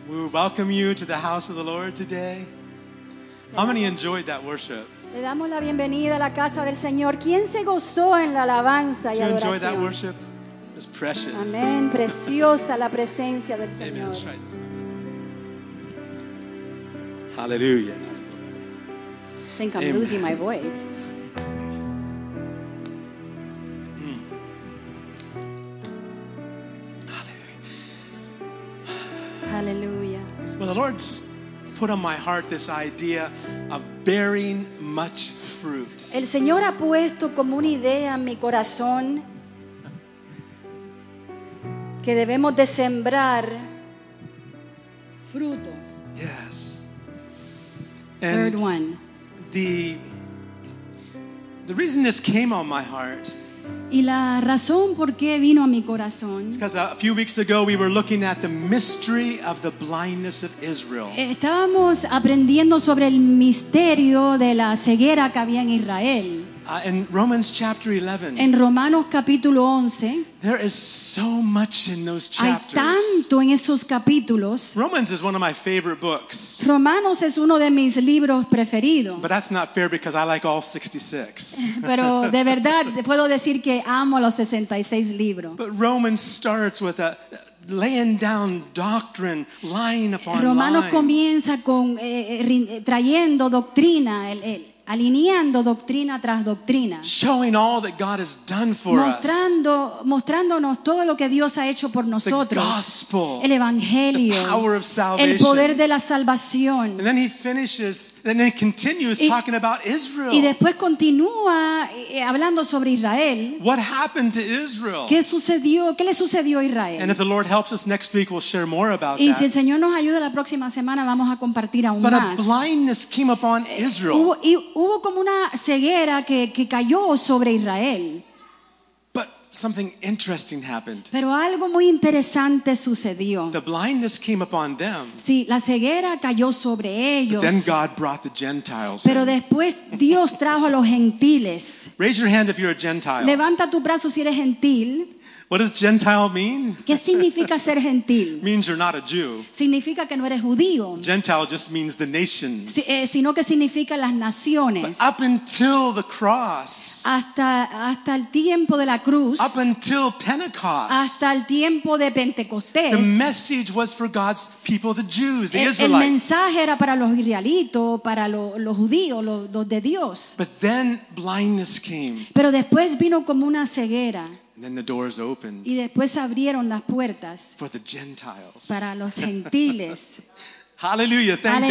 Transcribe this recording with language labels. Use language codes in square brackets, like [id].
[en] We welcome you to the house of the Lord today. How many enjoyed that worship? [es] Le damos la bienvenida a la casa del Señor. ¿Quién se gozó en la alabanza y adoración? [en] Did you enjoy that worship? It's precious. [es] Amén. Preciosa la presencia del Señor. [en] Amen. Let's try this one. Hallelujah. I think I'm losing my voice. Hallelujah. Well, the Lord's put on my heart this idea of bearing much fruit. [es] El Señor ha puesto como una idea en mi corazón que debemos de sembrar fruto. [en] Yes. And third one. The reason this came on my heart. [es] Y la razón por qué vino a mi corazón. [en] Because a few weeks ago we were looking at the mystery of the blindness of Israel. [es] Estábamos aprendiendo sobre el misterio de la ceguera que había en Israel. [en] In Romans chapter 11. [es] En Romanos capítulo 11. [en] There is so much in those chapters. [es] Hay tanto en esos capítulos. [en] Romans is one of my favorite books. [es] Romanos es uno de mis libros preferidos. [en] But that's not fair because I like all 66. [es] Pero de verdad puedo decir que amo los 66 libros. [en] But Romans starts with a laying down doctrine line upon line. [es] Romanos comienza con trayendo doctrina alineando doctrina tras doctrina. [en] Showing all that God has done for [es] mostrándonos todo lo que Dios ha hecho por nosotros. [en] The gospel, [es] el evangelio, [en] the power of salvation. [es] El poder de la salvación. [en] And then he finishes, and then continues talking about Israel. [es] Y después continúa hablando sobre Israel. [en] What happened to Israel? [es] ¿Qué sucedió? ¿Qué le sucedió a Israel? [en] And if the Lord helps us next week, we'll share more about [es] that. Y si el Señor nos ayuda la próxima semana, vamos a compartir aún [en] But [es] más. [en] But a blindness came upon Israel. [es] Hubo como una ceguera que cayó sobre Israel. [en] But something interesting happened. [es] Pero algo muy interesante sucedió. [en] The blindness came upon them. [es] Sí, la ceguera cayó sobre ellos. [en] But then God brought the Gentiles. [es] Pero después Dios trajo a los gentiles. [en] Raise your hand if you're a Gentile. [es] Levanta tu brazo si eres gentil. [en] What does Gentile mean? [es] ¿Qué significa ser gentil? [en] Means you're not a Jew. [es] Significa que no eres judío. [en] Gentile just means the nations. [es] Sino que significa las naciones. [en] But up until the cross. [es] Hasta el tiempo de la cruz. [en] Up until Pentecost. [es] Hasta el tiempo de Pentecostés. [en] The message was for God's people, the Jews, the Israelites. [es] El mensaje era para los israelitos, para los judíos, los de Dios. [en] But then blindness came. [es] Pero después vino como una ceguera. [en] And then the doors opened. [es] Y después abrieron las puertas [en] for the Gentiles. [es] Para los gentiles. [en] Hallelujah, thank